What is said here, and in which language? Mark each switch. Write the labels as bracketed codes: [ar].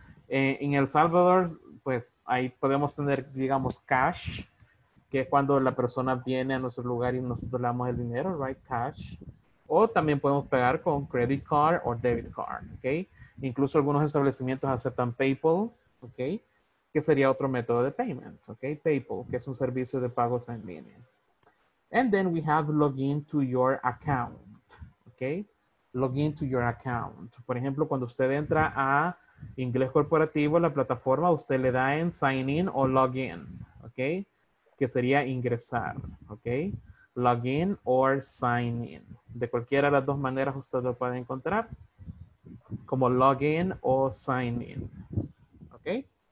[es] En El Salvador, pues ahí podemos tener, digamos, cash, que es cuando la persona viene a nuestro lugar y nosotros le damos el dinero, right? Cash. O también podemos pagar con credit card o debit card, ok? Incluso algunos establecimientos aceptan PayPal, ok? Que sería otro método de payment, ok? PayPal, que es un servicio de pagos en línea. [en] And then we have login to your account, okay? Login to your account. [es] Por ejemplo, cuando usted entra a Inglés Corporativo, la plataforma, usted le da en sign in o login, okay? Que sería ingresar, okay? [en] Login or sign in. [es] De cualquiera de las dos maneras usted lo puede encontrar como login o sign in, okay?